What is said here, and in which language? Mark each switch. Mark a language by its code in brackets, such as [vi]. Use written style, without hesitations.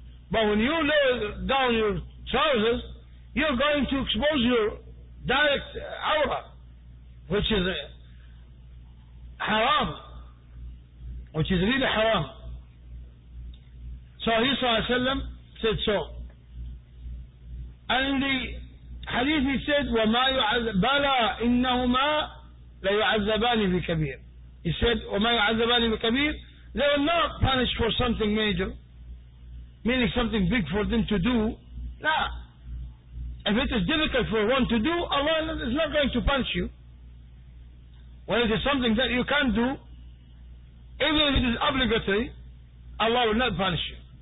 [en] But when you lower down your trousers, you are going to expose your direct awrah, which is haram, which is really haram. So he sallallahu alayhi wa sallam said so. And the Hadith, he said, [ar] وَمَا يُعَذَّبَانَ إِنَّهُمَا لَيُعَذَّبَانِ بِكَبِيرٍ. [en] He said, [ar] وَمَا يُعَذَّبَانِ بِكَبِيرٍ. [en] They will not punish for something major, meaning something big for them to do. No. If it is difficult for one to do, Allah is not going to punish you. When it is something that you can't do, even if it is obligatory, Allah will not punish you.